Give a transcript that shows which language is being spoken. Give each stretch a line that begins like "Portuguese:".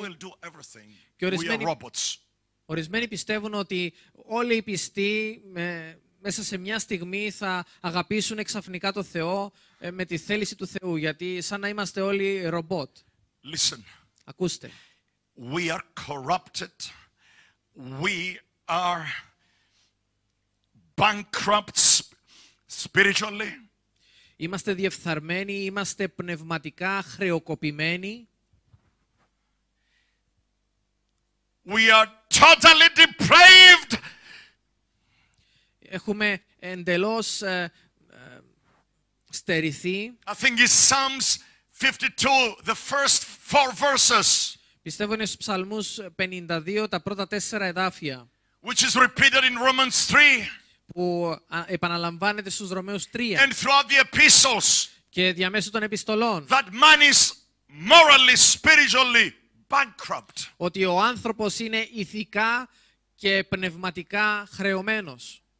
English: Will do everything.
Greek: Και ορισμένοι.
English: We are robots.
Greek: Ορισμένοι πιστεύουν ότι όλοι οι πιστοί μέσα σε μια στιγμή θα αγαπήσουν εξαφνικά το Θεό με τη θέληση του Θεού. Γιατί σαν να είμαστε όλοι ρομπότ.
English: Listen.
Greek: Ακούστε.
English: We are corrupted. We are bankrupt spiritually.
Greek: Είμαστε διεφθαρμένοι. Είμαστε πνευματικά χρεοκοπημένοι.
English: We are totally depraved.
Greek: Έχουμε εντελώς στερηθεί.
English: I think it's Psalms 52, the first four verses.
Greek: Πιστεύω είναι στους Ψαλμούς 52, τα πρώτα τέσσερα εδάφια.
English: Which is repeated in Romans 3.
Greek: Που επαναλαμβάνεται στους Ρωμαίους 3.
English: And throughout the epistles.
Greek: Και διαμέσου των επιστολών.
English: That man is morally, spiritually bankrupt.
Greek: Ότι ο άνθρωπος είναι ηθικά και πνευματικά χρεωμένος.